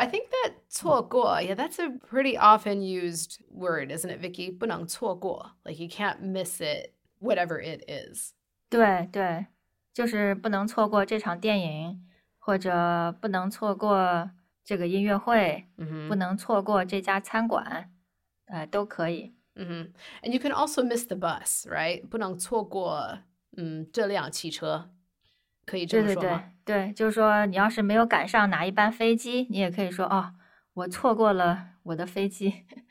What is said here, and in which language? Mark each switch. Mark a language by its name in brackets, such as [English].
[English] I think that 错过, yeah, that's a pretty often used word, isn't it, Vicky? [Chinese] 不能错过, [English] like you can't miss it, whatever it is. [Chinese] 对，就是不能错过这场电影，或者不能错过这个音乐会，不能错过这家餐馆，都可以。 [English] And you can also miss the bus, right? [Chinese] 不能错过，这辆汽车，可以这么说吗？对，就是说你要是没有赶上哪一班飞机，你也可以说哦，我错过了我的飞机。